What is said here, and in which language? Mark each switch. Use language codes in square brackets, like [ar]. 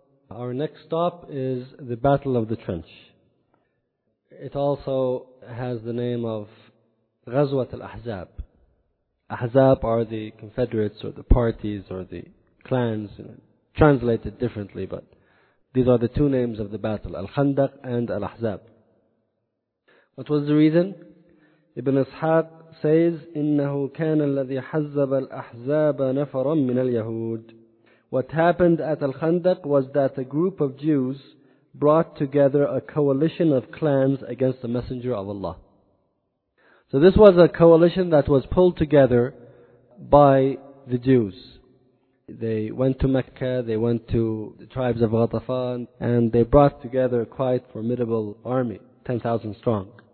[en] Our next stop is the Battle of the Trench. It also has the name of Ghazwat al-Ahzab. Ahzab are the confederates or the parties or the clans, translated differently, but these are the two names of the battle, Al-Khandaq and Al-Ahzab. What was the reason? Ibn Ishaq says, [ar] إِنَّهُ كَانَ الَّذِي حَزَّبَ الْأَحْزَابَ نَفَرًا مِنَ الْيَهُودِ. [en] What happened at Al-Khandaq was that a group of Jews brought together a coalition of clans against the Messenger of Allah. So this was a coalition that was pulled together by the Jews. They went to Mecca, they went to the tribes of Ghatafan, and they brought together a quite formidable army, 10,000 strong.